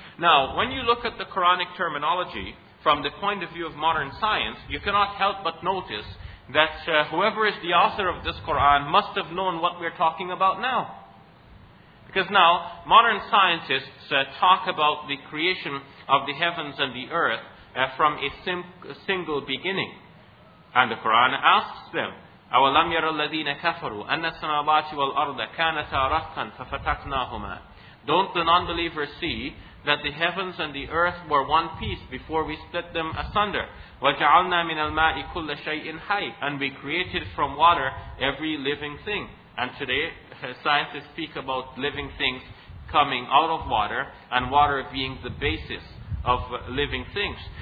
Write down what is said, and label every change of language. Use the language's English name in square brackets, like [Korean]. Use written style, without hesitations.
[English] Now, when you look at the Quranic terminology from the point of view of modern science, you cannot help but notice that whoever is the author of this Quran must have known what we're talking about now. Because now, modern scientists talk about the creation of the heavens and the earth from a single beginning. And the Quran asks them, [Arabic] أَوَلَمْ يَرَ الَّذِينَ كَفَرُوا أَنَّ السَّمَاوَاتِ وَالْأَرْضَ كَانَتَا رَتْقًا فَفَتَقْنَاهُمَا. [English] Don't the non-believers see that the heavens and the earth were one piece before we split them asunder? [Arabic] وَجَعَلْنَا مِنَ الْمَاءِ كُلَّ شَيْءٍ حَيٍّ. [English] And we created from water every living thing. And today, scientists speak about living things coming out of water, and water being the basis of living things.